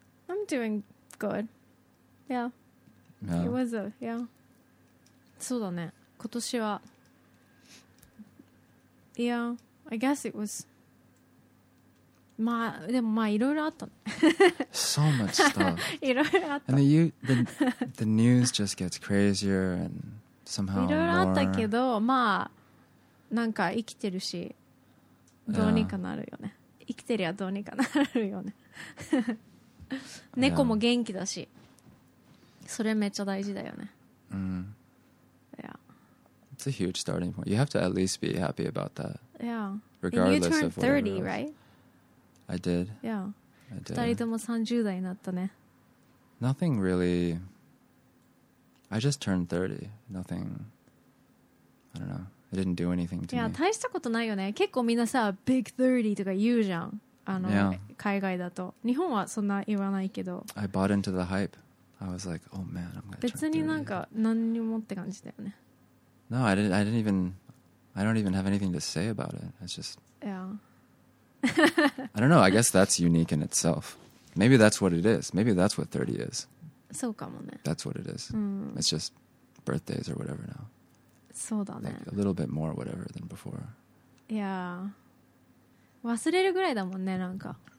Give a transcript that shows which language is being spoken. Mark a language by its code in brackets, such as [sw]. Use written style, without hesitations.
[en] I'm doing good. Yeah. It was a, [ja] そうだね。今年は [en] Yeah, I guess it was [ja] まあ、でもまあいろいろあったね。 [en] So much stuff. [ja] いろいろあった。 [en] And the news just gets crazier and somehow more. [ja] いろいろあったけど、まあなんか生きてるし、どうにかなるよね。 [en] Yeah. [ja] 生きてりゃどうにかなるよね。猫も元気だし、それめっちゃ大事だよね。 [en] Yeah. It's a huge starting point. You have to at least be happy about that. Yeah. Regardless of whatever. You turned 30, right? I did. Yeah. I did. [ja] 2人とも30代になったね。 [en] Nothing really. I just turned 30. Nothing. I don't know. I didn't do anything to [ja] me. 大したことないよね。結構みんなさ、Big 30とか言うじゃん。海外だと。日本はそんな言わないけど。 [en] I bought into the hype. I was like, oh man, I'm gonna turn 30. [ja] 別になんか何にもって感じだよね。 [en] No, I don't even have anything to say about it. It's just. Yeah. I don't know. I guess that's unique in itself. Maybe that's what it is. Maybe that's what 30 is. [ja] そうかもね。 [en] That's what it is. It's just birthdays or whatever now. [ja] そうだね。 [en] Like a little bit more whatever than before. Yeah. [ja] 忘れるぐらいだもんね、なんか。